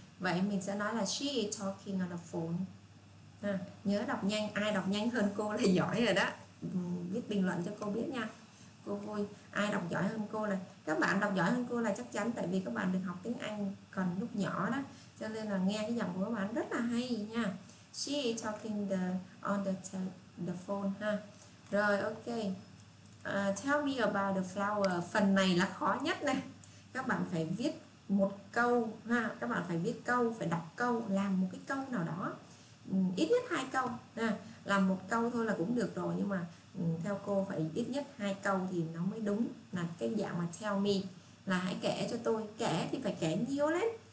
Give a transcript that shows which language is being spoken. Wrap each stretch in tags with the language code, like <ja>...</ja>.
<vi>Vậy mình sẽ nói là</vi> <en>she is talking on the phone.</en> <vi>À, nhớ đọc nhanh, ai đọc nhanh hơn cô là giỏi rồi đó. Viết bình luận cho cô biết nha. Cô vui, ai đọc giỏi hơn cô này? Các bạn đọc giỏi hơn cô là chắc chắn, tại vì các bạn được học tiếng Anh còn lúc nhỏ đó, cho nên là nghe cái giọng của các bạn rất là hay nha.</vi> <en>She is talking on the phone ha. Rồi ok. Tell me about the flower.</en> <vi>Phần này là khó nhất này. Các bạn phải viết một câu ha. Các bạn phải viết câu, phải đọc câu, làm một cái câu nào đó. Ít nhất hai câu ha. Làm một câu thôi là cũng được rồi, nhưng mà theo cô phải ít nhất hai câu thì nó mới đúng. Là cái dạng mà</vi> <en>tell me</en> <vi>là hãy kể cho tôi. Kể thì phải kể nhiều lên.</vi>